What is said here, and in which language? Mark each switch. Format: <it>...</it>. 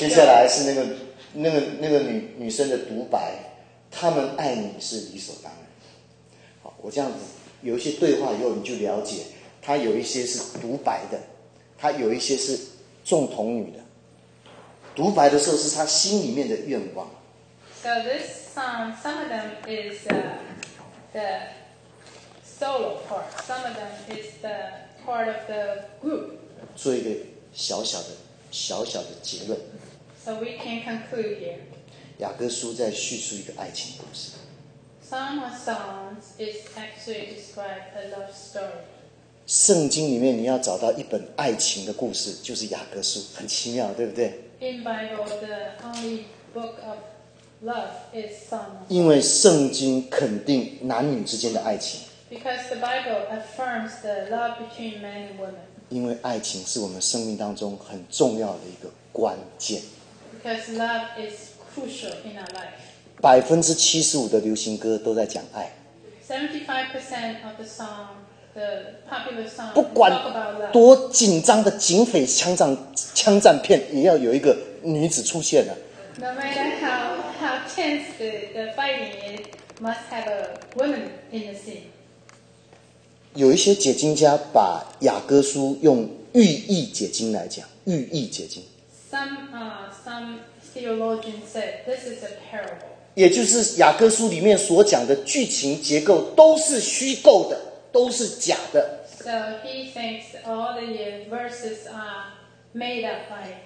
<zh>接下来是那个女生的独白，他们爱你是理所当然。好，我这样子有一些对话以后，你就了解，他有一些是独白的，他有一些是众童女的。独白的时候是他心里面的愿望。</zh> <en>So this song, some of them is the solo part, some of them is the part of the group.</en> <zh>做一个小小的结论。</zh> <en>So we can conclude here.</en> <zh>雅各书在叙述一个爱情故事。</zh> <en>Some of songs is actually described a love story.</en> <zh>圣经里面你要找到一本爱情的故事，就是雅各书，很奇妙，对不对？</zh> <en>In Bible, the only book of love is Song of Songs.</en> <zh>因为圣经肯定男女之间的爱情。</zh> <en>Because the Bible affirms the love between men and women.</en> <zh>因为爱情是我们生命当中很重要的一个关键。</zh> <en>Because love is crucial in our life.</en> <zh>75% 的流行歌都在讲爱。</zh> <en>75% of the song, the popular song, talk about love.</en> <zh>不管多紧张的警匪枪战片也要有一个女子出现的。</zh> <en>No matter how tense the fighting is, must have a woman in the scene.</en> <zh>有一些解经家把雅各书用寓意解经来讲，寓意解经。</zh> <en>Some theologians said this is a parable.</en> <zh>也就是雅各书里面所讲的剧情结构都是虚构的，都是假的。</zh> <en>So he thinks all the verses are made up by</en>